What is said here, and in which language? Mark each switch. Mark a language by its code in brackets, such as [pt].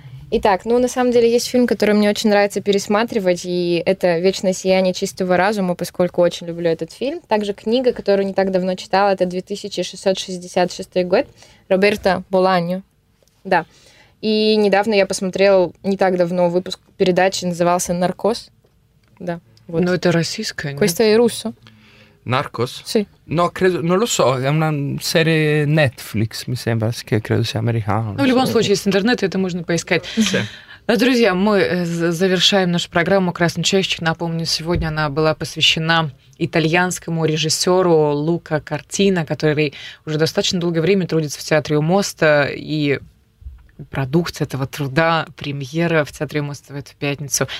[ru] Итак, ну, на самом деле, есть фильм, который мне очень нравится пересматривать, и это «Вечное сияние чистого разума», поскольку очень люблю этот фильм. Также книга, которую не так давно читала, это 2666 год, Роберто Боланьо. Да. И недавно я посмотрела, не так давно, выпуск передачи, назывался «Наркоз». Да. Вот. Но это российское, нет? [it] Questo è russo. Narcos? Sì. No, credo, non lo so, è una serie Netflix, mi sembra, che credo sia americana. [ru] Ну, в любом случае, есть интернет, это можно поискать. Да, друзья, мы завершаем нашу программу «Красный чайщик». Напомню, сегодня она была посвящена итальянскому режиссеру Лука Кортина, который уже достаточно долгое время трудится в Театре у моста, и продукт этого труда, премьера в Театре у моста в эту пятницу.